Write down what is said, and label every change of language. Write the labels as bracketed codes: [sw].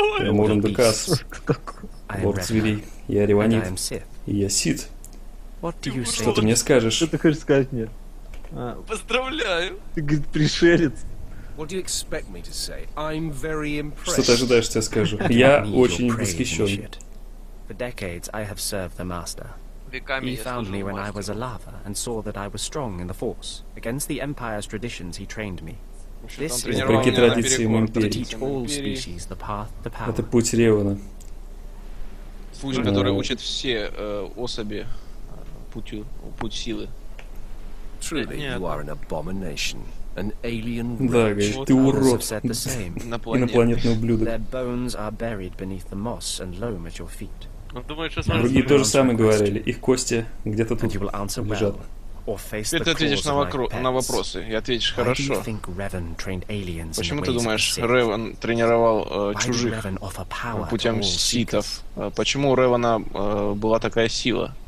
[ru] Я Мурон Дукас. Лорд зверей. Я Реванит. И я Сид. Что ты мне скажешь? Что ты хочешь сказать мне? Поздравляю. Ты, говорит, пришелец. Что ты ожидаешь, что я скажу? Я очень восхищен. [en] For decades I have served the master. He found me when I was a lava and saw that I was strong in the force. Against the Empire's traditions he trained me. This is the path to the power. To teach all species the path to power. [ru] Это путь Ревана. Путь, который учит все особи путь силы. [en] Truly, you are an abomination. An alien [ru] да, говорит, ты урод, инопланетный ублюдок. [en] Their bones are buried beneath the moss and loam at your feet. [ru] Другие тоже самое говорили, их кости где-то тут лежат. Теперь ты ответишь на вопросы и ответишь хорошо. Почему ты думаешь, Реван тренировал чужих путем ситов? Почему у Ревана была такая сила?